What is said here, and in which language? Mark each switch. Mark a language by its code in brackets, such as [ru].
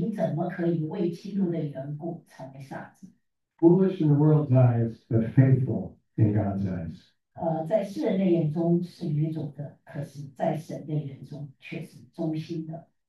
[zh] 你该求问神，你怎么可以为基督的缘故成为傻子？ [en] Foolish in the world's eyes, but faithful in God's eyes. [zh] 在世人的眼中是愚拙的，可是在神的眼中却是忠心的。